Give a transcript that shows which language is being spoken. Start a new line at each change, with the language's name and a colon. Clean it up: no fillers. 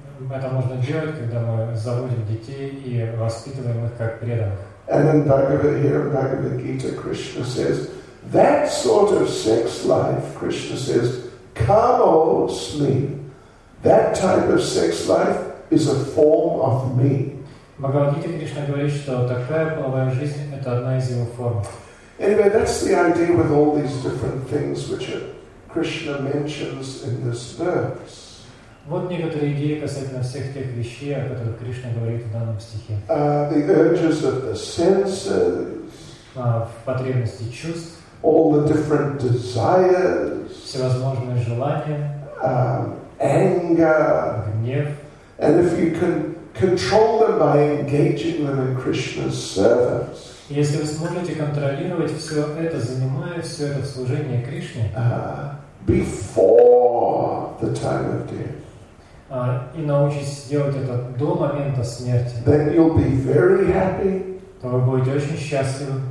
Russian: Это можно делать, когда мы заводим детей и воспитываем их как преданных.
English: And then Bhagavad Gita, Krishna says, that sort of sex life, Krishna says, kamo smi. That type of sex life is a form of me.
Russian: Бхагавад-гита Кришна говорит, что такая половая жизнь – это одна из его форм.
English: Anyway, that's the idea with all these different things which Krishna mentions in this verse.
Russian: Вот некоторые идеи касательно всех тех вещей, о которых Кришна говорит в данном стихе.
English: The urges of the senses.
Russian: Потребности чувств.
English: All the different desires.
Russian: Всевозможные желания.
English: Anger.
Russian: Гнев.
English: And if you can control them by engaging them in Krishna's service.
Russian: Если вы сможете контролировать все это, занимая все это в служении Кришне.
English: Before the time of death.
Russian: И научитесь делать это до момента смерти.
English: Then you'll be very happy.
Russian: То вы будете очень счастливы.